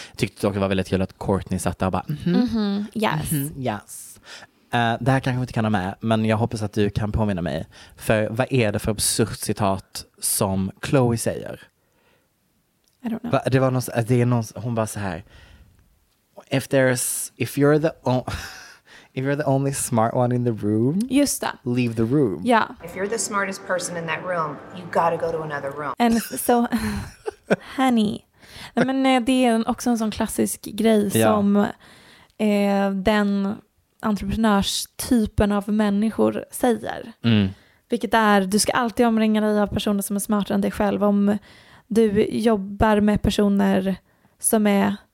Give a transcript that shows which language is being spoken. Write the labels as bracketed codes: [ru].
[sv] Tyckte dock det var väldigt kul att Courtney satt där och bara [en] Yes. [sv] Det här kanske vi inte kan ha med, men jag hoppas att du kan påminna mig. För vad är det för absurd citat som Chloe säger? [en] I don't know. [sv] Det var någon, det är någon, hon bara så här. [en] If you're the only smart one in the room, [sv] just det. [en] Leave the room. [sv] Ja. [en] If you're the smartest person in that room, you gotta go to another room. And so, honey. [sv] Men det är också en sån klassisk grej som den entreprenörstypen av människor säger. Mm. Vilket är, du ska alltid omringa dig av personer som är smartare än dig själv. Om du jobbar med personer som är